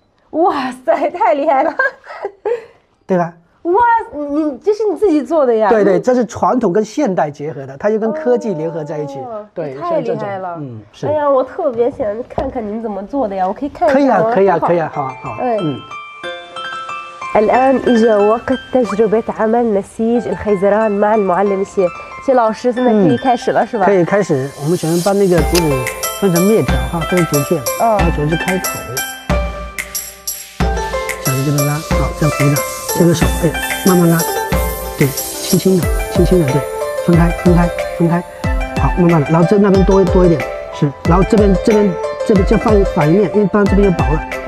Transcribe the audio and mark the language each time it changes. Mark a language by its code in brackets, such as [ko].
[zh] 哇塞，太厉害了，对吧？哇，你这是你自己做的呀？对，这是传统跟现代结合的，它就跟科技联合在一起。对，太厉害了。是。哎呀，我特别想看看您怎么做的呀，我可以看一下。可以啊，好。 [ar] الآن إجا وقت تجربة عمل نسيج الخيزران مع المعلم سي. [zh] سي 老师，现在可以开始了，是吧？可以开始。我们先把那个竹子分成面条哈，分成竹片，然后竹子开口，小心这个拉，好，这样扶着，这个手背慢慢拉，对，轻轻的，对，分开，好，慢慢的，然后这那边多一点，是，然后这边就放反一面，因为放这边就薄了。